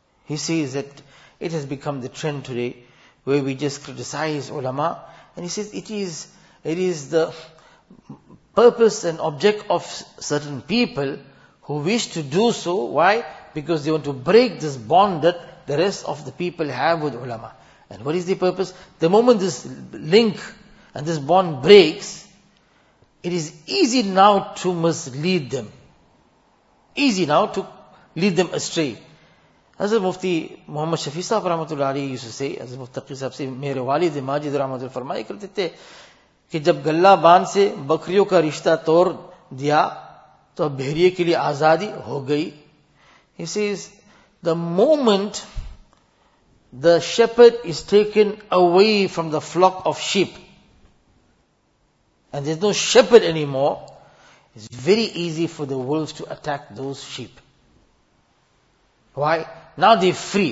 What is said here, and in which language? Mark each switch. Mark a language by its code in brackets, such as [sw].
[en] He says that it has become the trend today where we just criticize ulama, and he says it is the purpose and object of certain people who wish to do so. Why? Because they want to break this bond that the rest of the people have with ulama. And what is the purpose? The moment this link and this bond breaks, it is easy now to mislead them. Easy now to lead them astray. Hazrat Mufti Muhammad Shafi Sahib Rahmatullah Ali used to say, Hazrat Muftaqi Sahib say, [ur] میرے والد ماجد رحمت اللہ فرمائے کرتے تھے کہ جب گلہ بان سے بکریوں کا رشتہ توڑ دیا تو اب بھیریے کے لیے آزادی ہو گئی. [en] He says, the moment the shepherd is taken away from the flock of sheep and there's no shepherd anymore, it's very easy for the wolves to attack those sheep. Why? Now they're free.